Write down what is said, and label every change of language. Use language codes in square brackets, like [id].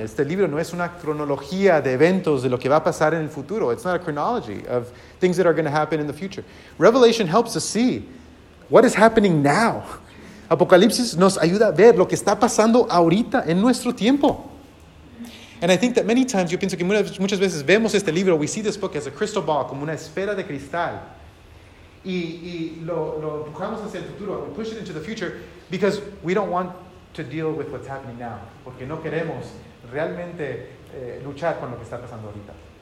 [es] Este libro no es una cronología de eventos de lo que va a pasar en el futuro. [en] It's not a chronology of things that are going to happen in the future. Revelation helps us see what is happening now. [es] Apocalipsis nos ayuda a ver lo que está pasando ahorita en nuestro tiempo. [en] And I think that many times, [es] yo pienso que muchas veces vemos este libro, [en] we see this book as a crystal ball, [es] como una esfera de cristal. Y lo empujamos hacia el futuro, [en] we push it into the future, because we don't want to deal with what's happening now. [es] Porque no queremos realmente luchar con lo que está pasando ahorita.